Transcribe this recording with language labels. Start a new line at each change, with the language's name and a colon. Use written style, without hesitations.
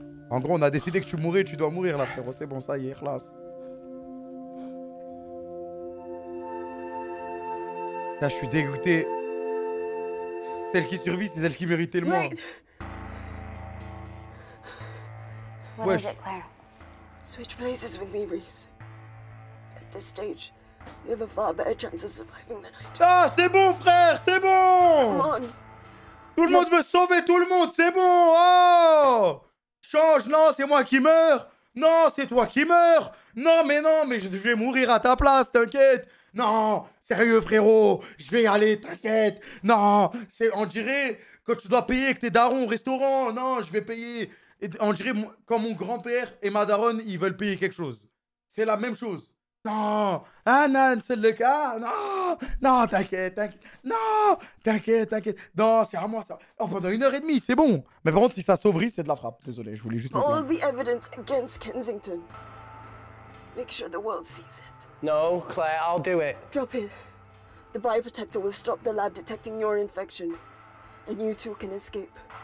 French: En gros, on a décidé que tu mourrais, tu dois mourir là, frérot. C'est bon, ça y est, khlas. Là, je suis dégoûté. Celle qui survit, c'est celle qui méritait le moins.
English: Wait. What is it, Claire? Switch places with me, Reese. At this stage, you have a far better chance of surviving than I do.
French: Ah, c'est bon, frère, c'est bon.
English: Come on.
French: Tout le monde veut sauver tout le monde, c'est bon. Oh, change, non, c'est moi qui meurs. Non, c'est toi qui meurs. Non, mais je vais mourir à ta place, t'inquiète. Non, sérieux frérot, je vais y aller, t'inquiète. Non, c'est, on dirait que tu dois payer que t'es daron au restaurant. Non, je vais payer. Et on dirait quand mon grand-père et ma daronne, ils veulent payer quelque chose. C'est la même chose. Non, ah non, c'est le cas, non, t'inquiète, non, c'est à moi ça. Oh, pendant une heure et demie, c'est bon. Mais par contre, si ça s'ouvrit, c'est de la frappe. Désolé, je voulais juste.
English: All the evidence against Kensington. Make sure the world sees it. No, Claire, I'll do it. Drop it. The bioprotector will stop the lab detecting your infection, and you two can escape.